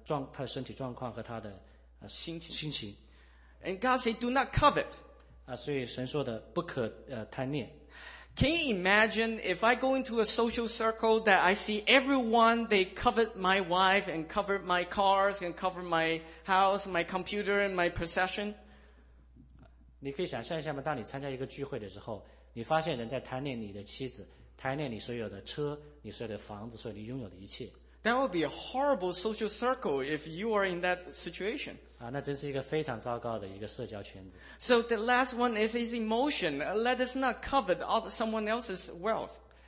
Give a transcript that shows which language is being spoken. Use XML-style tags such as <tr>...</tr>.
<zh>那最后一个是关于他的身体状况和他的心情。</zh> <en>And God said, do not covet.</en> <zh>所以神说的不可贪念。</zh> <en>Can you imagine if I go into a social circle that I see everyone, they covet my wife and cover my cars and cover my house, my computer and my possession?</en> <zh>你可以想象一下吗？当你参加一个聚会的时候，你发现人在贪恋你的妻子，贪恋你所有的车，你所有的房子，所有你拥有的一切。</zh> <en>That would be a horrible social circle if you are in that situation.</en> <zh>那真是一个非常糟糕的一个社交圈子。</zh> <en>So the last one is his emotion. Let us not covet all someone else's wealth.</en>